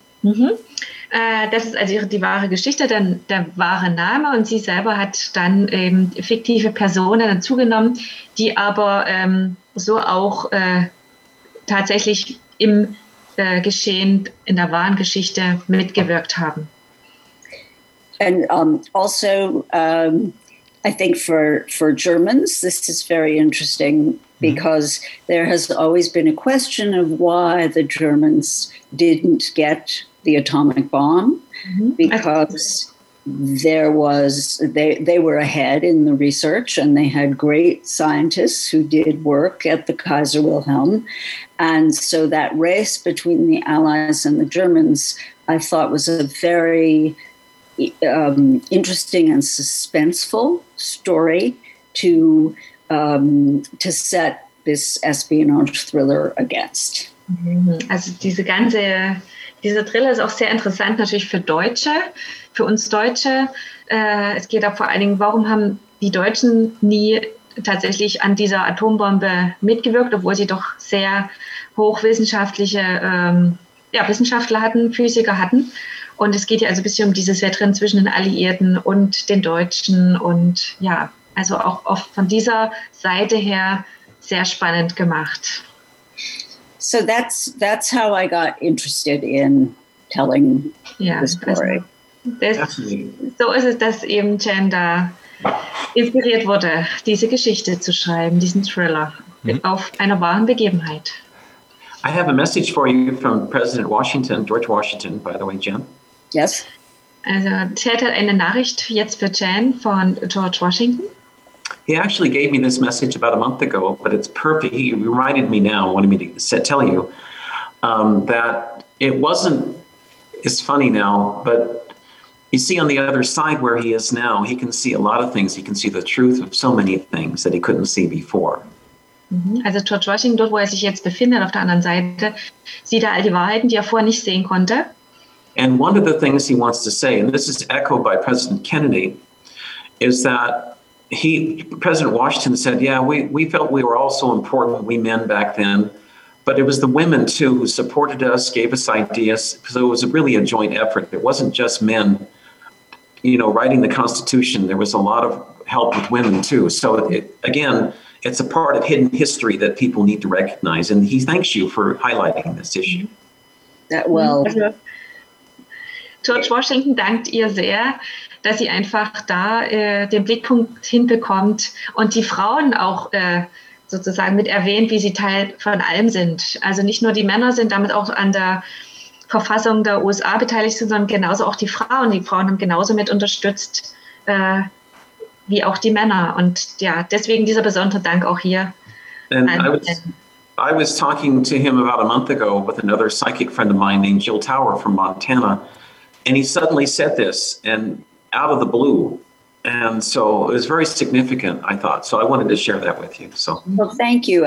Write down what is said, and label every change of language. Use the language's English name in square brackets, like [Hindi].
[German] Das ist also die wahre Geschichte, der wahre Name. Und sie selber hat dann eben fiktive Personen dazugenommen, die aber so auch tatsächlich im Geschehen, in der wahren Geschichte mitgewirkt haben. [English] And also, I think for Germans, this is very interesting, because there has always been a question of why the Germans didn't get the atomic bomb, because they were ahead in the research and they had great scientists who did work at the Kaiser Wilhelm. And so that race between the Allies and the Germans, I thought, was a very interesting and suspenseful story to set this espionage thriller against. [German] Also dieser Thriller ist auch sehr interessant natürlich für Deutsche, für uns Deutsche. Es geht da vor allen Dingen, warum haben die Deutschen nie tatsächlich an dieser Atombombe mitgewirkt, obwohl sie doch sehr hochwissenschaftliche Wissenschaftler hatten, Physiker hatten. Und es geht ja also ein bisschen um dieses Wettrennen zwischen den Alliierten und den Deutschen. Und ja, also auch oft von dieser Seite her sehr spannend gemacht. [English] So that's how I got interested in telling the story. [German] So ist es, dass eben Jen da inspiriert wurde, diese Geschichte zu schreiben, diesen Thriller auf einer wahren Begebenheit. [English] I have a message for you from President Washington, George Washington, by the way, Jen. Yes. [German] Also Ted hat eine Nachricht jetzt für Jen von George Washington. [English] He actually gave me this message about a month ago, but it's perfect. He reminded me now, wanted me to tell you that it wasn't, it's funny now, but you see on the other side where he is now, he can see a lot of things. He can see the truth of so many things that he couldn't see before. [German] Also George Washington, dort wo er sich jetzt befindet, auf der anderen Seite, sieht er all die Wahrheiten, die er vorher nicht sehen konnte. [English] And one of the things he wants to say, and this is echoed by President Kennedy, is that President Washington said, yeah, we felt we were all so important, we men back then, but it was the women too who supported us, gave us ideas, so it was really a joint effort. It wasn't just men, you know, writing the Constitution. There was a lot of help with women too. So again, it's a part of hidden history that people need to recognize. And he thanks you for highlighting this issue. That well. [German] George Washington dankt ihr sehr, dass sie einfach da den Blickpunkt hinbekommt und die Frauen auch sozusagen mit erwähnt, wie sie Teil von allem sind. Also nicht nur die Männer sind damit auch an der Verfassung der USA beteiligt, sondern genauso auch die Frauen. Die Frauen haben genauso mit unterstützt wie auch die Männer. Und ja, deswegen dieser besondere Dank auch hier. [English] I was talking to him about a month ago with another psychic friend of mine named Jill Tower from Montana. And he suddenly said this, and out of the blue. And so it was very significant, I thought. So I wanted to share that with you. So. Well, thank you.